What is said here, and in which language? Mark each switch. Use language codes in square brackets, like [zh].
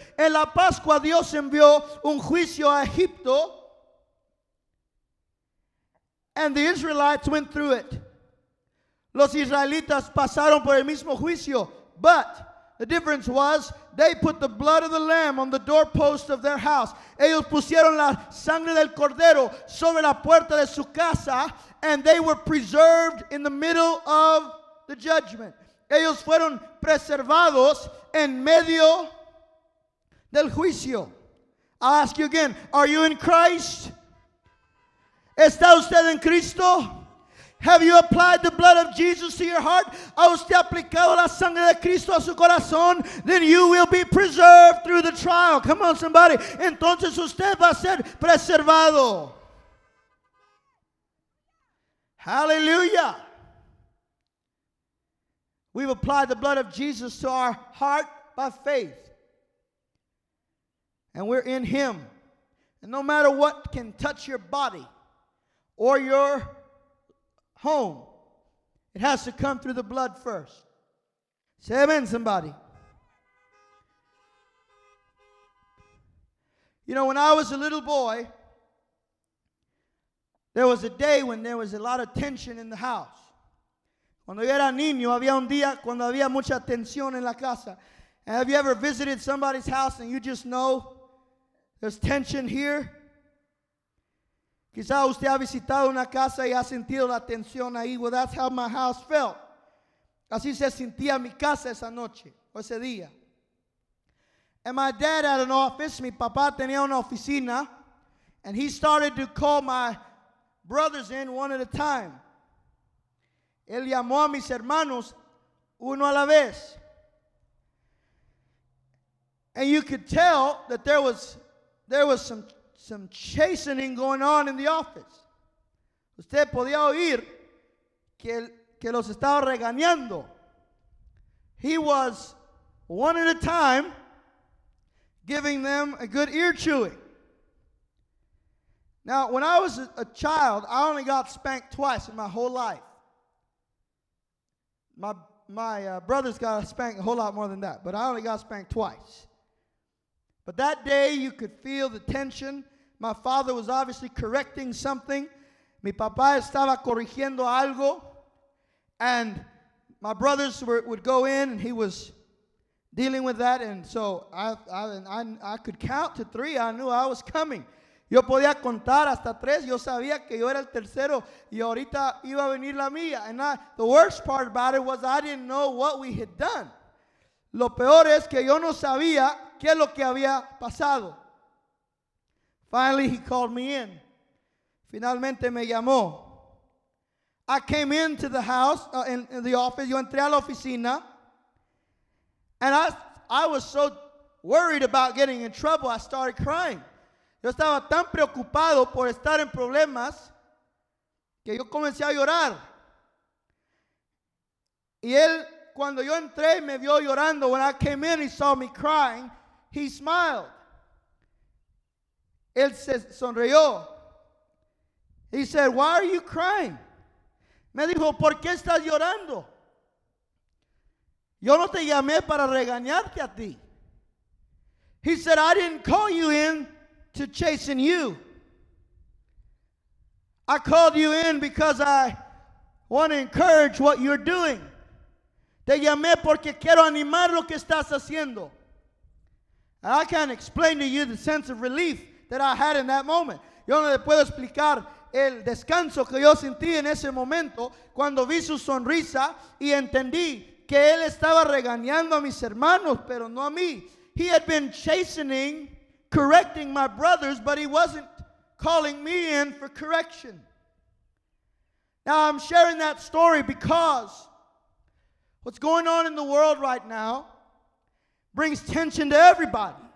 [es] En la Pascua, Dios envió un juicio a Egipto. [en] And the Israelites went through it. [es] Los israelitas pasaron por el mismo juicio. [en] But the difference was they put the blood of the lamb on the doorpost of their house. [es] Ellos pusieron la sangre del cordero sobre la puerta de su casa, [en] and they were preserved in the middle of the judgment. [es] Ellos fueron preservados en medio del juicio. [en] I'll ask you again, are you in Christ? [es] ¿Está usted en Cristo? [en] Have you applied the blood of Jesus to your heart? [es] ¿Ha usted aplicado la sangre de Cristo a su corazón? [en] Then you will be preserved through the trial. Come on, somebody. [es] Entonces usted va a ser preservado. [en] Hallelujah. We've applied the blood of Jesus to our heart by faith. And we're in him. And no matter what can touch your body or your home, it has to come through the blood first. Say amen, somebody. You know, when I was a little boy, there was a day when there was a lot of tension in the house. [es] Cuando yo era niño, había un día cuando había mucha tensión en la casa. [en] And have you ever visited somebody's house and you just know there's tension here? [es] Quizá usted ha visitado una casa y ha sentido la tensión ahí. [en] Well, that's how my house felt. [es] Así se sentía mi casa esa noche, o ese día. [en] And my dad had an office. [es] Mi papá tenía una oficina. [en] And he started to call my brothers in one at a time. [es] Él llamó a mis hermanos uno a la vez. [en] And you could tell that there was some chastening going on in the office. [es] Usted podía oír que los estaba regañando. [en] He was one at a time giving them a good ear chewing. Now, when I was a child, I only got spanked twice in my whole life. My brothers got spanked a whole lot more than that, but I only got spanked twice. But that day, you could feel the tension. My father was obviously correcting something. [es] Mi papá estaba corrigiendo algo. [en] And my brothers would go in, and he was dealing with that. And so I could count to three. I knew I was coming. [es] Yo podía contar hasta tres. Yo sabía que yo era el tercero. Y ahorita iba a venir la mía. [en] And the worst part about it was I didn't know what we had done. [es] Lo peor es que yo no sabía qué es lo que había pasado. [en] Finally, he called me in. [es] Finalmente me llamó. [en] I came into the house, in the office. [es] Yo entré a la oficina. [en] And I was so worried about getting in trouble, I started crying. Yo estaba tan preocupado por estar en problemas que yo comencé a llorar. [es] Y él, cuando yo entré, me vio llorando. [en] When I came in, he saw me crying. He smiled. [es] Él se sonrió. [en] He said, "Why are you crying?" [es] Me dijo, "¿Por qué estás llorando? Yo no te llamé para regañarte a ti." [en] He said, "I didn't call you in to chasten you. I called you in because I want to encourage what you're doing. [es] Te llamé porque quiero animar lo que estás haciendo." [en] And I can't explain to you the sense of relief that I had in that moment. [es] Yo no le puedo explicar el descanso que yo sentí en ese momento cuando vi su sonrisa y entendí que él estaba regañando a mis hermanos, pero no a mí. [en] He had been chastening, correcting my brothers, but he wasn't calling me in for correction. Now, I'm sharing that story because what's going on in the world right now brings tension to everybody.